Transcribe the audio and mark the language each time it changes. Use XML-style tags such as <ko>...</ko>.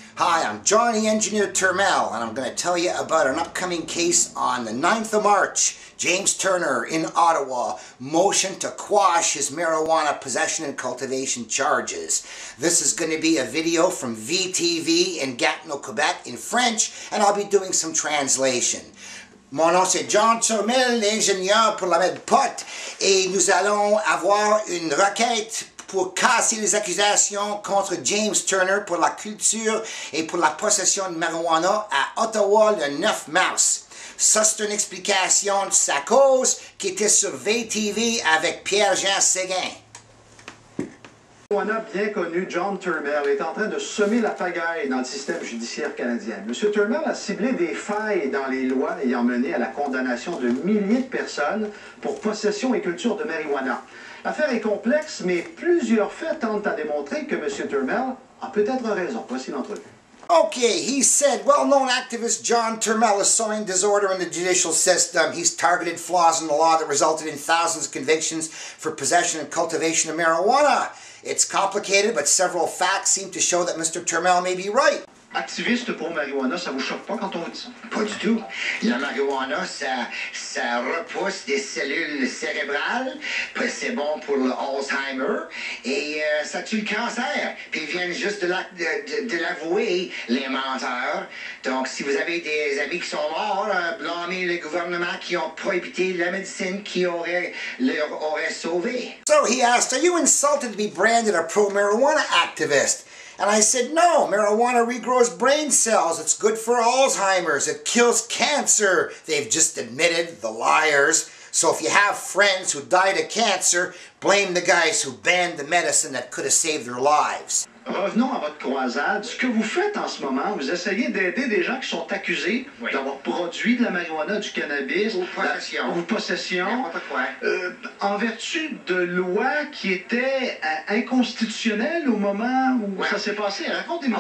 <en>Hi, I'm Johnny Engineer Turmel, and I'm going to tell you about an upcoming case on the 9th of March. James Turner in Ottawa motioned to quash his marijuana possession and cultivation charges. This is going to be a video from VTV in Gatineau, Quebec in French, and I'll be doing some translation.</en> <fr>Mon nom c'est John Turmel, l'ingénieur pour la MedPot, et nous allons avoir une requête pour casser les accusations contre James Turner pour la culture et pour la possession de marijuana à Ottawa le 9 mars. Ça, c'est une explication de sa cause qui était sur VTV avec Pierre-Jean Séguin. On a bien connu John Turmel est en train de semer la pagaille dans le système judiciaire canadien. M. Turmel a ciblé des failles dans les lois ayant mené à la condamnation de milliers de personnes pour possession et culture de marijuana. L'affaire est complexe, mais plusieurs faits tentent à démontrer que M. Turmel a peut-être raison. Voici l'entrevue.</fr> <en>Okay, he said, well-known activist John Turmel is sowing disorder in the judicial system. He's targeted flaws in the law that resulted in thousands of convictions for possession and cultivation of marijuana. It's complicated, but several facts seem to show that Mr. Turmel may be right.</en> <fr>Activiste pour marijuana, ça vous choque pas quand on vous dit ça? Pas du tout. La marijuana, ça repousse des cellules cérébrales, puis c'est bon pour l'Alzheimer, et ça tue le cancer. Puis ils viennent juste de l'avouer, les menteurs. Donc, si vous avez des amis qui sont morts, blâmez le gouvernement qui ont prohibité la médecine qui leur aurait sauvé.</fr> <en>So he asked, are you insulted to be branded a pro-marijuana activist? And I said, no, marijuana regrows brain cells. It's good for Alzheimer's. It kills cancer. They've just admitted, the liars. So if you have friends who died of cancer, blame the guys who banned the medicine that could have saved their lives.</en> <fr>Revenons à votre croisade. Ce que vous faites en ce moment, vous essayez d'aider des gens qui sont accusés oui. d'avoir produit de la marijuana, du cannabis, ou possession. Ou possession. N'importe quoi. En vertu de lois qui étaient inconstitutionnelles au moment où oui. ça s'est passé. Racontez-moi</fr>